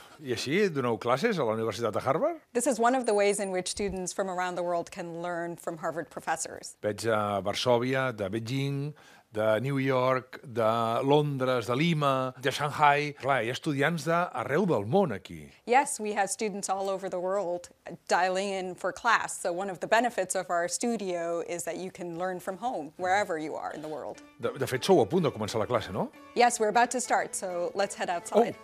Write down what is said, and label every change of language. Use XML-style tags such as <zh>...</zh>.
<ca>I així doneu classes a la Universitat de Harvard?</ca> <en>This is one of the ways in which students from around the world can learn from Harvard professors.</en> <ca>Veig a Varsovia, de Beijing, de New York, de Londres, de Lima, de Shanghai. Clar, hi ha estudiants d'arreu del món aquí.</ca> <en>Yes, we have students all over the world dialing in for class. So one of the benefits of our studio is that you can learn from home, wherever you are in the world.</en> <ca>De fet, sou a punt de començar la classe, no?</ca> <en>Yes, we're about to start, so let's head outside.</en>